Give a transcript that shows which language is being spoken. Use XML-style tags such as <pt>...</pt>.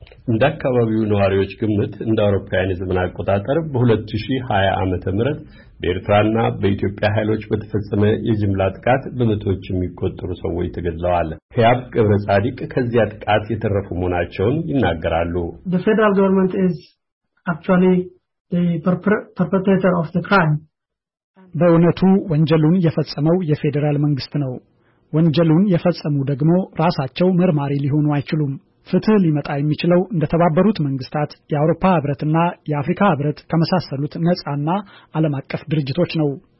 <am>እንደ አካባቢው ነዋሪዎች ግምት እንደ አውሮፓውያን ዘመን አቆጣጠር በ2020 ዓመተ ምህረት በኤርትራና በኢትዮጵያ ኃይሎች በተፈጸመ የጅምላ ጥቃት በመቶዎች የሚቆጠሩ ሰዎች ተገድለዋል። ከያብ ቀብረ ጻዲቅ ከዚያ ጥቃት የተረፉ መሆናቸውን ይናገራሉ።</am> <en>The federal government is actually the perpetrator of the crime.</en> <am>በእውነቱ ወንጀሉን የፈጸመው የፌደራል መንግስት ነው። ወንጀሉን የፈጸሙ ደግሞ ራሳቸው መርማሪ ሊሆኑ አይችሉም። ፍትህ ሊመጣ የሚችለው እንደተባበሩት መንግስታት፣ የአውሮፓ ህብረትና የአፍሪካ ህብረት ከመሳሰሉት ነጻና ዓለም አቀፍ ድርጅቶች ነው።</am>